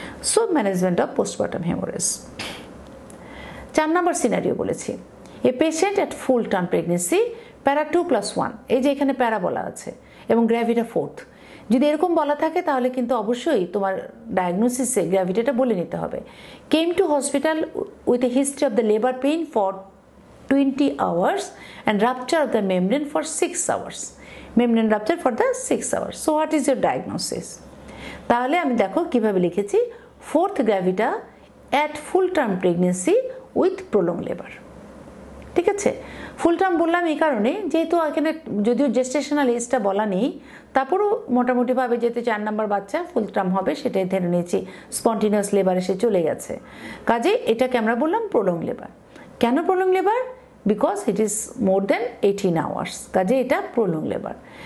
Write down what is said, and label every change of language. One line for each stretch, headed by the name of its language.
Bangla: So management of postpartum haemorrhage. চার নম্বর scenario বলেছি,
English: a patient at full term pregnancy,
Bangla: প্যারা 2+1, এই যে এখানে প্যারা বলা আছে এবং গ্র্যাভিটা 4th, যদি এরকম বলা থাকে তাহলে কিন্তু অবশ্যই তোমার ডায়াগনোসিসে গ্র্যাভিটাটা বলে নিতে হবে।
English: Came to hospital with a history of the labour pain for 20 hours and rupture of the membrane for 6 hours, membrane rupture for the 6 hours, so what is your diagnosis?
Bangla: Tahole ami dekho kibhabe likhechi,
English: fourth gravita at full term pregnancy with prolonged labor,
Bangla: thik ache? Full term বললাম এই কারণে যেহেতু এখানে যদিও gestational এজটা বলা নেই, তারপরও মোটামুটিভাবে যেহেতু চার নম্বর বাচ্চা ফুল টার্ম হবে সেটাই ধরে নিয়েছি, স্পন্টিনিয়াস লেবার এসে চলে গেছে, কাজে এটাকে আমরা বললাম প্রলং লেবার। কেন prolong labour?
English: because it is more than 18 hours,
Bangla: কাজে এটা প্রলং লেবার।